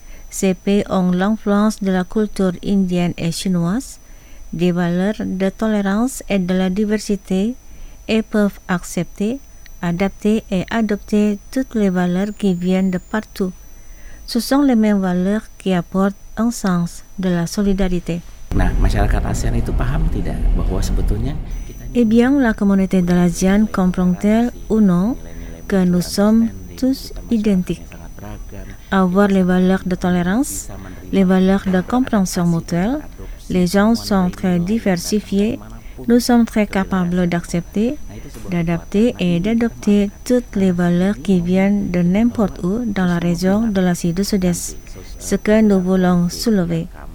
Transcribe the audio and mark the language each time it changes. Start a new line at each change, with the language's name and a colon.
French: Ces pays ont l'influence de la culture indienne et chinoise, des valeurs de tolérance et de la diversité et peuvent accepter, adapter et adopter toutes les valeurs qui viennent de partout. Ce sont les mêmes valeurs qui apportent un sens de la solidarité.
Indonesian: Nah, masyarakat ASEAN itu paham tidak bahwa sebetulnya
French: eh bien, la communauté de l'ASEAN comprend-elle ou non que nous sommes tous identiques? Avoir les valeurs de tolérance, les valeurs de compréhension mutuelle, les gens sont très diversifiés, nous sommes très capables d'accepter, d'adapter et d'adopter toutes les valeurs qui viennent de n'importe où dans la région de l'Asie du Sud-Est, ce que nous voulons soulever.